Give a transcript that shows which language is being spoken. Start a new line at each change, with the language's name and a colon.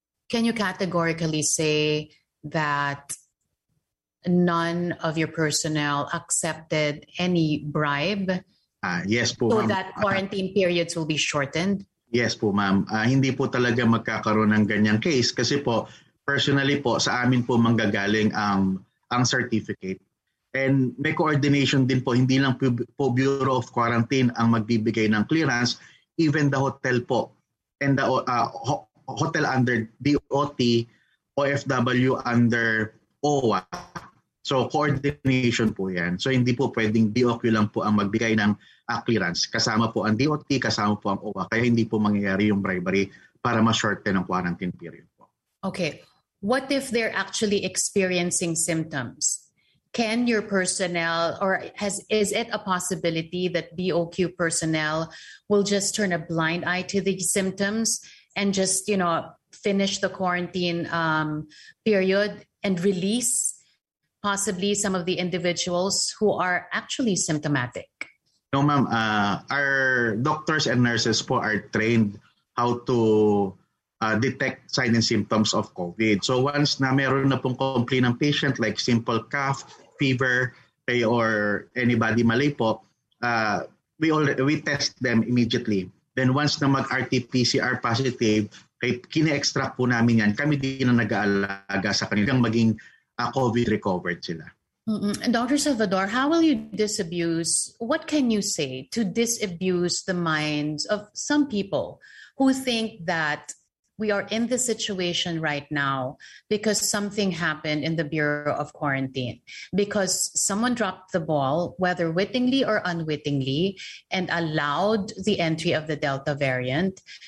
English: Can you categorically say that none of your personnel accepted any bribe? Yes po, so ma'am. So that quarantine periods will be shortened? Yes po, ma'am.
Filipino: Hindi po talaga magkakaroon ng ganyang case kasi po, personally po, sa amin po manggagaling ang certificate. And may coordination din po, hindi lang po Bureau of Quarantine ang magbibigay ng clearance,
English: even the hotel
Filipino: po.
English: And the hotel under DOT, OFW under OWA.
Filipino: So coordination po yan. So hindi po pwedeng DOQ lang po ang magbigay ng clearance. Kasama po ang DOT, kasama po ang OWA. Kaya hindi po mangyayari yung bribery para ma-shorten ang quarantine period po.
English: Okay. What if they're actually experiencing symptoms? Can your personnel, or is it a possibility that DOQ personnel will just turn a blind eye to the symptoms and just, you know, finish the quarantine period and release possibly some of the individuals who are actually symptomatic? No, ma'am. Our doctors and nurses po are trained how to detect signs and symptoms of COVID. So once
Filipino: na meron na pong
English: complaint ng patient like simple cough, fever, or anybody malay po, we test them immediately. Then once
Filipino: na mag RT-PCR positive, kine-extract po namin yan. Kami din ang nag-aalaga sa kanilang maging COVID recovered sila.
English: Dr. Salvador, how will you disabuse, what can you say to disabuse the minds of some people who think that we are in this situation right now because something happened in the Bureau of Quarantine, because someone dropped the ball, whether wittingly or unwittingly, and allowed the entry of the Delta variant?